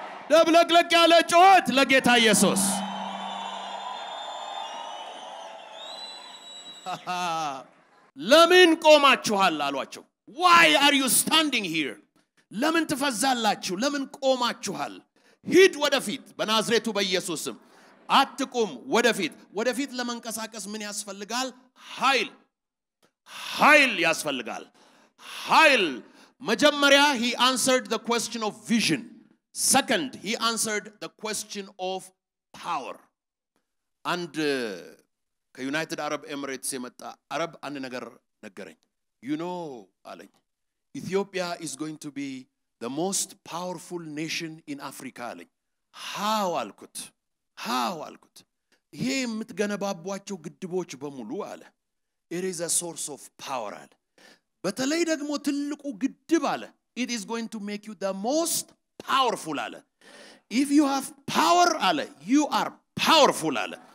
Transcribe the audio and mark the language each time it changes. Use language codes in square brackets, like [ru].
[am] ደብለቅለቅ ያለ ጮት ለጌታ ኢየሱስ። ለምን ቆማችኋል አሏቸው። [en] Why are you standing here? [am] ለምን ትፈዛላችሁ? ለምን ቆማችኋል? ሂድ ወደፊት በናዝሬቱ በኢየሱስም። አትቁም ወደፊት። ወደፊት ለመንቀሳቀስ ምን ያስፈልጋል? ኃይል። ኃይል ያስፈልጋል። ኃይል። መጀመሪያ [en] he answered the question of vision. Second, he answered the question of power. And [am] ከዩናይትድ አረብ ኤምሬትስ የመጣ አረብ አንድ ነገር ነገረኝ። [en] You know [am] አለኝ, [en] Ethiopia is going to be the most powerful nation in Africa. [am] ሃው አልኩት ሃው አልኩት ይሄ የምትገነባባቸው ግድቦች በሙሉ አለ [en] it is a source of power አለ [am] በተለይ ደግሞ ትልቁ ግድብ አለ [en] it is going to make you the most powerful አለ if you have power አለ you are powerful አለ